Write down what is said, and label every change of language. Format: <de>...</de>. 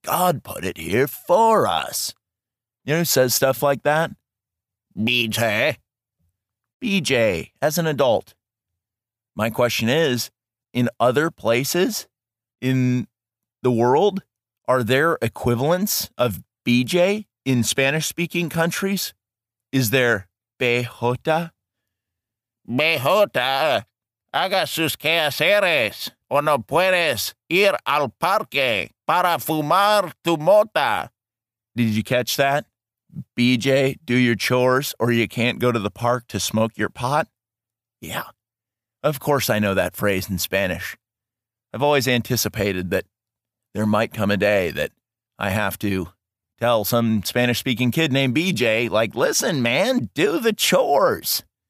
<en>God put it here for us. You know who says stuff like that? BJ. BJ, as an adult. My question is, in other places in the world, are there equivalents of BJ in Spanish-speaking countries? Is there Bejota?</en> <es>Bejota, haga sus quehaceres o no puedes ir al parque para fumar tu mota.</es> <en>Did you catch that? BJ, do your chores or you can't go to the park to smoke your pot? Yeah. Of course I know that phrase in Spanish. I've always anticipated that there might come a day that I have to tell some Spanish-speaking kid named BJ, like, listen, man, do the chores.</en>